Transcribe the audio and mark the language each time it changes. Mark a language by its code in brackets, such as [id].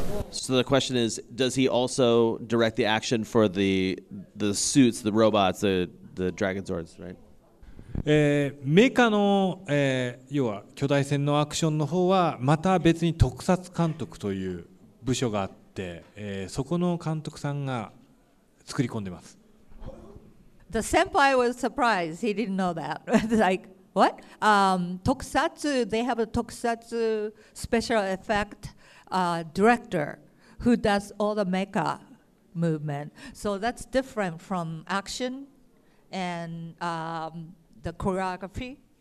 [en] So the question is, does he also direct the action for the suits, the robots, the dragon swords, right? [ja] メカの要は巨大戦のアクションの方はまた別に特撮監督という部署があって、そこの監督さんが作り込んでます。 [en] The senpai was surprised. He didn't know that. Like,What? Tokusatsu, they have a Tokusatsu special effect director who does all the mecha movement. So that's different from action and the choreography.